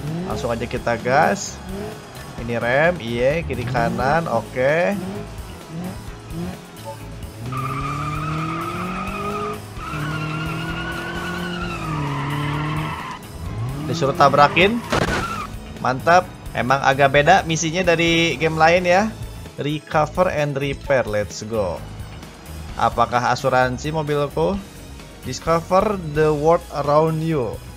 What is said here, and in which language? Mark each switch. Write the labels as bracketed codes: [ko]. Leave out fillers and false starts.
[id] Langsung aja kita gas. Ini rem, iya, kiri kanan, oke. Disuruh tabrakin. Mantap. Emang agak beda misinya dari game lain ya. [en] Recover and repair, let's go. [id] Apakah asuransi mobilku? [en] Discover the world around you.